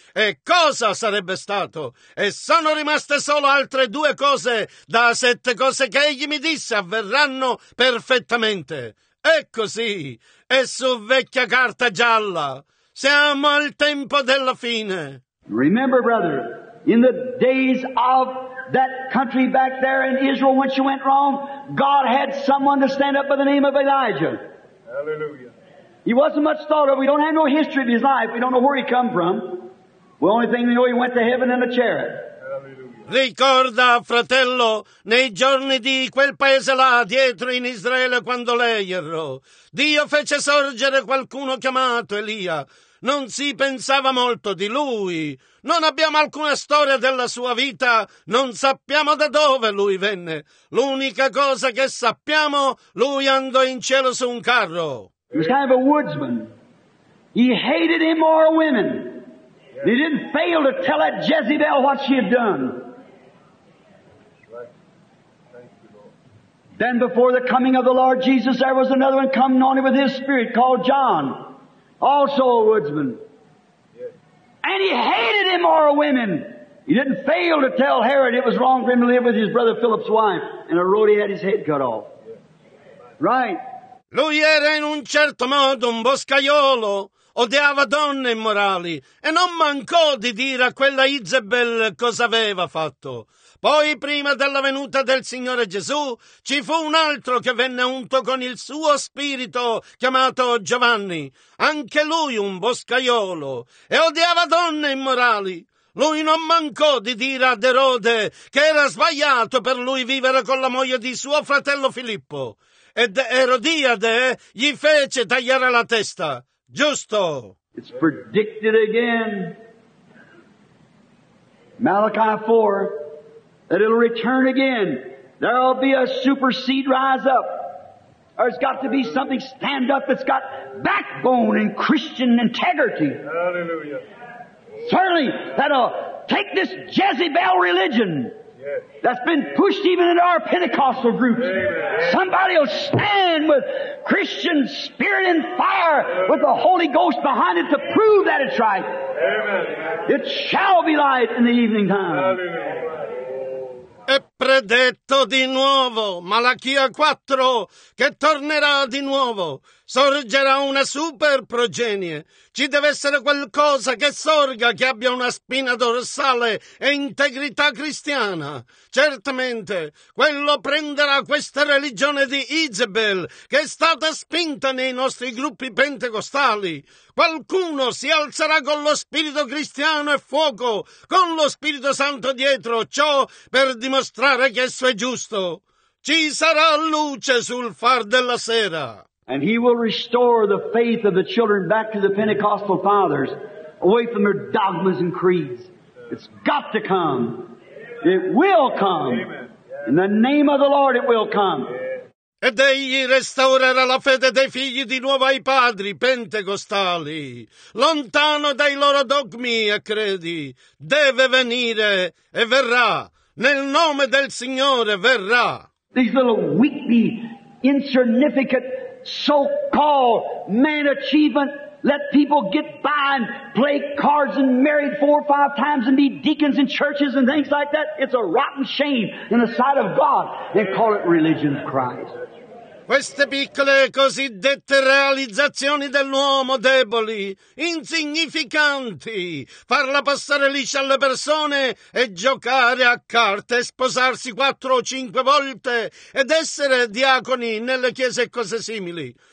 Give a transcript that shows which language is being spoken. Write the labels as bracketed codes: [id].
[it] E cosa sarebbe stato? E sono rimaste solo altre due cose da sette cose che egli mi disse avverranno perfettamente. E così, e su vecchia carta gialla. Siamo al tempo della fine. [en] Remember, brother, in the days of that country back there in Israel when she went wrong, God had someone to stand up by the name of Elijah. Hallelujah. He wasn't much thought of. We don't have no history of his life. We don't know where he come from. The only thing we know, he went to heaven in a chariot. [it] Ricorda, fratello, nei giorni di quel paese là, dietro in Israele, quando lei errò, Dio fece sorgere qualcuno chiamato Elia. Non si pensava molto di lui. Non abbiamo alcuna storia della sua vita. Non sappiamo da dove lui venne. L'unica cosa che sappiamo, lui andò in cielo su un carro. [en] He was kind of a woodsman. He hated immoral women. He didn't fail to tell that Jezebel what she had done. Then before the coming of the Lord Jesus, there was another one coming on him with his spirit called John, also a woodsman. And he hated immoral women. He didn't fail to tell Herod it was wrong for him to live with his brother Philip's wife, and a road he had his head cut off. Right. [it] Lui era in un certo modo un boscaiolo. Odiava donne immorali e non mancò di dire a quella Isabel cosa aveva fatto. Poi, prima della venuta del Signore Gesù, ci fu un altro che venne unto con il suo spirito, chiamato Giovanni. Anche lui un boscaiolo e odiava donne immorali. Lui non mancò di dire ad Erode che era sbagliato per lui vivere con la moglie di suo fratello Filippo. Ed Erodiade gli fece tagliare la testa. Giusto. [en] It's predicted again, Malachi 4, that it'll return again. There'll be a super seed rise up. There's got to be something stand up that's got backbone and Christian integrity. Hallelujah. Certainly, that'll take this Jezebel religion that's been pushed even into our Pentecostal groups. Amen. Somebody will stand with Christian spirit and fire with the Holy Ghost behind it to prove that it's right. Amen. It shall be light in the evening time. [it] È predetto di nuovo, Malachia 4, che tornerà di nuovo. Sorgerà una super progenie. Ci deve essere qualcosa che sorga, che abbia una spina dorsale e integrità cristiana. Certamente, quello prenderà questa religione di Isabel, che è stata spinta nei nostri gruppi pentecostali. Qualcuno si alzerà con lo spirito cristiano e fuoco, con lo Spirito Santo dietro, ciò per dimostrare che esso è giusto. ci sarà luce sul far della sera. [en] And he will restore the faith of the children back to the Pentecostal fathers, away from their dogmas and creeds. It's got to come. It will come. In the name of the Lord, it will come. [it] Ed egli restaurerà la fede dei figli di nuovo ai padri pentecostali, lontano dai loro dogmi e credi. Deve venire e verrà. Nel nome del Signore verrà. [en] These little weakly, insignificant, so-called man achievement, let people get by and play cards and married four or five times and be deacons in churches and things like that. It's a rotten shame in the sight of God. They call it religion of Christ. [it] Queste piccole cosiddette realizzazioni dell'uomo deboli, insignificanti, farla passare liscia alle persone e giocare a carte e sposarsi quattro o cinque volte ed essere diaconi nelle chiese e cose simili.